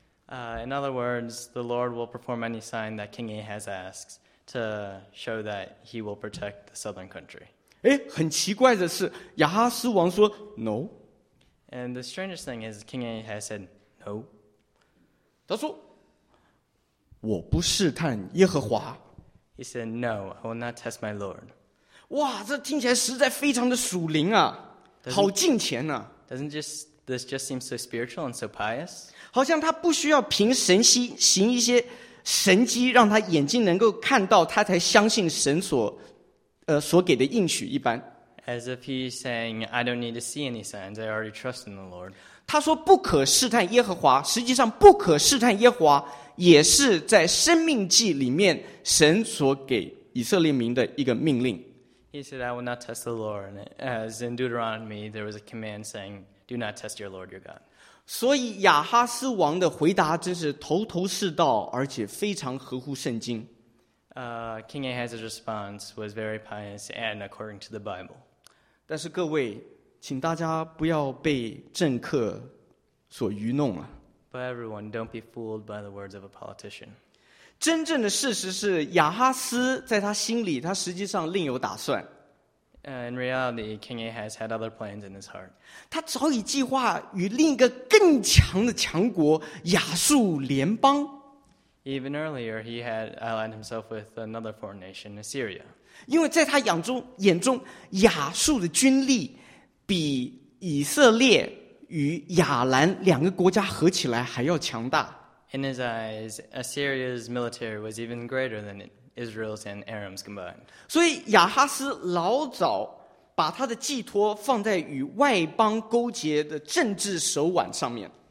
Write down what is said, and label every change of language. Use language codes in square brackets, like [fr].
[en] In other words, the Lord will perform any sign that King Ahaz asks to show that he will protect the southern country. [zh] 诶，很奇怪的是，亚哈斯王说 [en] no. And the strangest thing is King Ahaz said no. [zh] 他说，我不试探耶和华。 [en] He said no, I will not test my Lord. [zh] 哇，这听起来实在非常的属灵啊，好敬虔啊。 [en] This just seems so spiritual and so pious. [zh] 好像他不需要凭神迹行一些神迹，让他眼睛能够看到，他才相信神所给的应许一般。 [en] As if he's saying, I don't need to see any signs. I already trust in the Lord. [zh] 他说不可试探耶和华，实际上不可试探耶和华也是在生命记里面神所给以色列民的一个命令。 [en] He said, I will not test the Lord. As in Deuteronomy, there was a command saying. Do not test your Lord, your God. [zh] 所以亚哈斯王的回答真是头头是道，而且非常合乎圣经。 [en] King Ahaz's response was very pious and according to the Bible. [zh] 但是各位，请大家不要被政客所愚弄了。 [en] But everyone, don't be fooled by the words of a politician. [zh] 真正的事实是，亚哈斯在他心里，他实际上另有打算。 [en] In reality, King Ahaz had other plans in his heart. [zh] 他早已计划与另一个更强的强国亚述联邦。 [en] Even earlier, he had aligned himself with another foreign nation, Assyria. [zh] 因为在他眼中，亚述的军力比以色列与亚兰两个国家合起来还要强大。 [en] In his eyes, Assyria's military was even greater than it. Israel's and Aram's combined. [zh] 所以亚哈斯老早把他的寄托放在与外邦勾结的政治手腕上面。